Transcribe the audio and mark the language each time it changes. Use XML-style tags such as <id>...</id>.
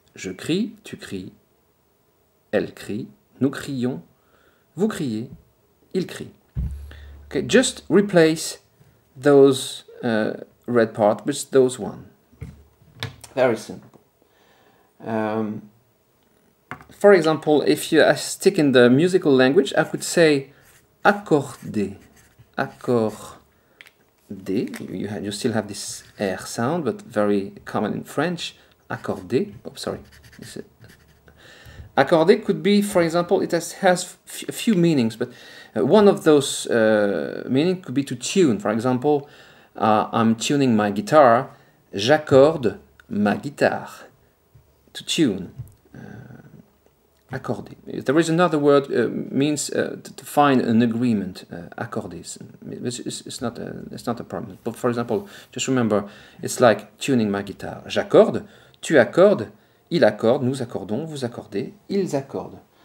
<fr>Je crie, tu cries, elle crie, nous crions, vous criez, il crie.</fr> <en>Okay, just replace those red parts with those one. Very simple. For example, if you stick in the musical language, I could say accorder. Accord D, you still have this R sound, but very common in French. Accord D, oh, sorry. Accord D could be, for example, it has a few meanings, but one of those meaning could be to tune. For example, I'm tuning my guitar.</en> <fr>J'accorde ma guitare.</fr> <en>To tune. Accordé. There is another word means to find an agreement. Accordé. It's not a problem. But for example, just remember, it's like tuning my guitar.</en> <fr>J'accorde, tu accordes, il accorde, nous accordons, vous accordez, ils accordent.</fr>